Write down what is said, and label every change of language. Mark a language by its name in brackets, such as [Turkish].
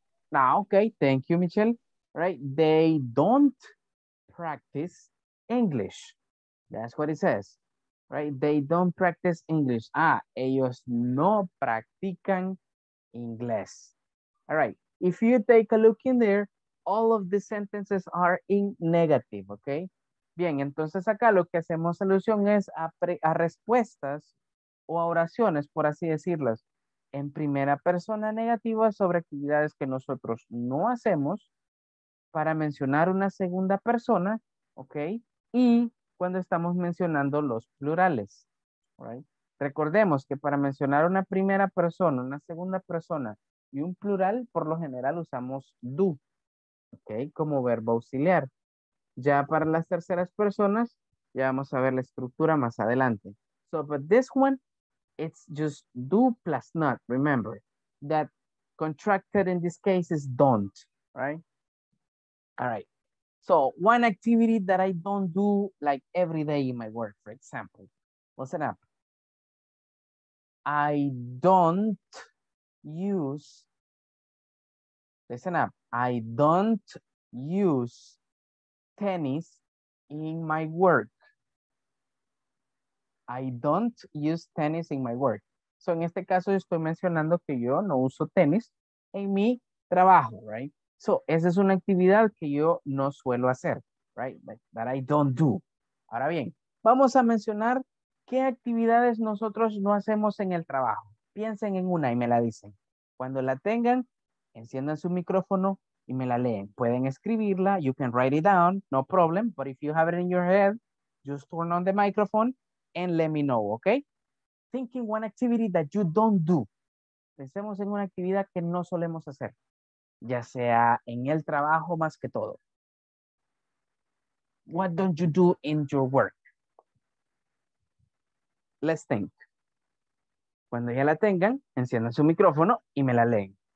[English] Now, okay, thank you, Michelle. Right, they don't practice English. That's what it says. Right, they don't practice English. [Spanish] Ah, ellos no practican inglés. [English] All right, if you take a look in there, all of the sentences are in negative, okay? [Spanish] Bien, entonces acá lo que hacemos alusión es a respuestas o a oraciones, por así decirlas, en primera persona negativa sobre actividades que nosotros no hacemos para mencionar una segunda persona, okay? Y cuando estamos mencionando los plurales, right? Recordemos que para mencionar una primera persona, una segunda persona y un plural, por lo general usamos do, okay, como verbo auxiliar. Ya para las terceras personas, ya vamos a ver la estructura más adelante. [English] So, but this one, it's just do plus not. Remember, that contracted in this case is don't, right? All right. So one activity that I don't do like every day in my work, for example, listen up. I don't use, listen up. I don't use tennis in my work. I don't use tennis in my work. [Spanish] So en este caso estoy mencionando que yo no uso tenis en mi trabajo, right? So, esa es una actividad que yo no suelo hacer, right? [English] That I don't do. [Spanish] Ahora bien, vamos a mencionar qué actividades nosotros no hacemos en el trabajo. Piensen en una y me la dicen. Cuando la tengan, enciendan su micrófono y me la leen. Pueden escribirla, [English] you can write it down, no problem. But if you have it in your head, just turn on the microphone and let me know, okay? Thinking one activity that you don't do. [Spanish] Pensemos en una actividad que no solemos hacer. Ya sea en el trabajo más que todo. [English] What don't you do in your work? Let's think. [Spanish] Cuando ya la tengan, enciendan su micrófono y me la leen.